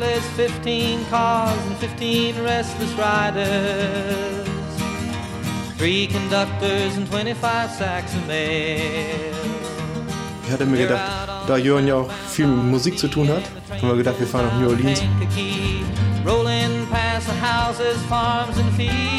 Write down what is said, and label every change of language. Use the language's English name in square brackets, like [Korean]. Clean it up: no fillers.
[English] There's 15 cars and 15 restless riders, 3 conductors and 25 sacks of mail. [German] Ich hatte mir gedacht, da Jörn ja auch viel mit Musik zu tun hat, haben wir gedacht, wir fahren nach New Orleans. [English] Rolling past the houses, farms and fields.